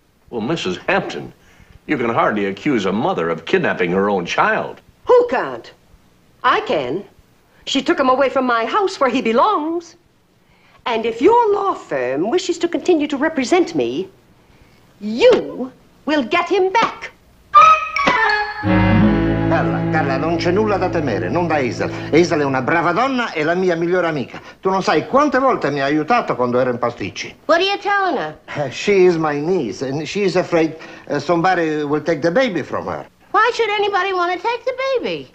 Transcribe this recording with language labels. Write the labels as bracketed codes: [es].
[en] Well, Mrs. Hampton... You can hardly accuse a mother of kidnapping her own child. Who can't? I can. She took him away from my house where he belongs. And if your law firm wishes to continue to represent me, you will get him back. [it] Carla, non c'è nulla da temere, non da Hazel. Hazel è una brava donna e la mia migliore amica. Tu non sai quante volte mi ha aiutato quando ero in pasticci. [en] What are you telling her? She is my niece, and she is afraid somebody will take the baby from her. Why should anybody want to take the baby?